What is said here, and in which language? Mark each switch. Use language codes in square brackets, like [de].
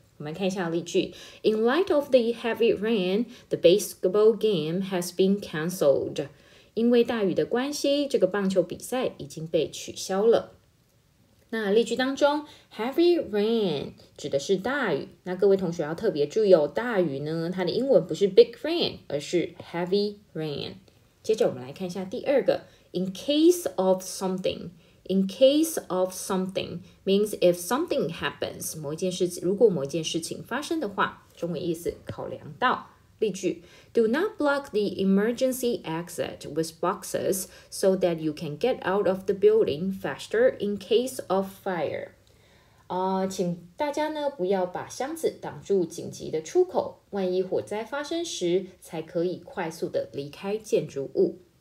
[zh] 我们看一下例句 [en] ：In light of the heavy rain, the baseball game has been cancelled. [zh] 因为大雨的关系，这个棒球比赛已经被取消了。那例句当中 heavy rain 指的是大雨，那各位同学要特别注意哦，大雨呢它的英文不是 big rain， 而是 heavy rain。接着我们来看一下第二个 [en] in case of something means if something happens， [zh] 某一件事如果某一件事情发生的话，中文意思考量到。例句 [en] do not block the emergency exit with boxes so that you can get out of the building faster in case of fire. [zh] 请大家呢不要把箱子挡住紧急的出口，万一火灾发生时才可以快速的离开建筑物。